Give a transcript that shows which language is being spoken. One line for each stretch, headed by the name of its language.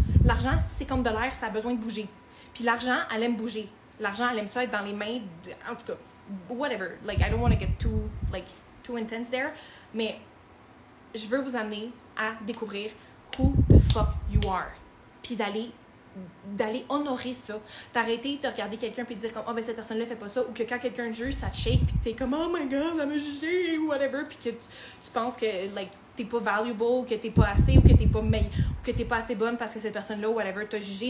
French: L'argent, c'est comme de l'air. Ça a besoin de bouger. Puis l'argent, elle aime bouger. L'argent, elle aime ça être dans les mains, en tout cas, whatever.
English: Like, I don't want to get too intense there.
French: Mais je veux vous amener à découvrir
English: who the fuck you are.
French: puis d'aller, d'aller honorer ça. T'arrêter de regarder quelqu'un puis dire comme, oh, ben cette personne-là fait pas ça, ou que quand quelqu'un te juge, ça te shake, puis t'es comme,
English: oh my god,
French: elle m'a jugé, ou whatever, puis que tu penses que, like, t'es pas valuable, ou que t'es pas assez, ou que t'es pas meilleure, ou que t'es pas assez bonne parce que cette personne-là, ou whatever, t'a jugé.